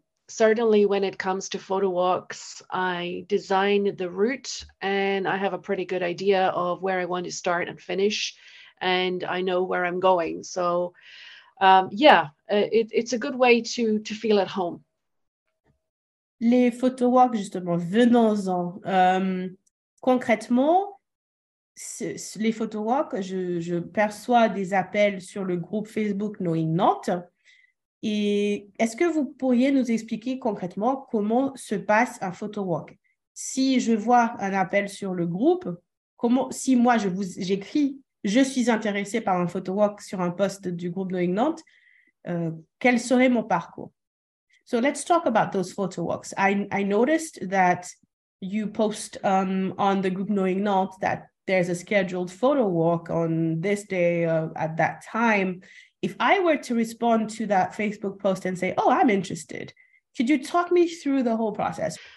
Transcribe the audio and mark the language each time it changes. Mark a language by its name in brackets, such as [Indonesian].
[English] Certainly when it comes to photo walks, I design the route and I have a pretty good idea of where I want to start and finish, and I know where I'm going. So it's a good way to feel at home. [French] Les photo walks, justement, venons-en. Concrètement, les photo walks, je perçois des appels sur le groupe Facebook Knowing Nantes. Et est-ce que vous pourriez nous expliquer concrètement comment se passe un photo walk? Si je vois un appel sur le groupe, si moi j'écris, je suis intéressée par un photo walk sur un poste du groupe Knowing Nantes, quel serait mon parcours? [English] So let's talk about those photo walks. I noticed that you post on the group Knowing Nantes that there's a scheduled photo walk on this day at that time. If I were to respond to that Facebook post and say, oh, I'm interested, could you talk me through the whole process?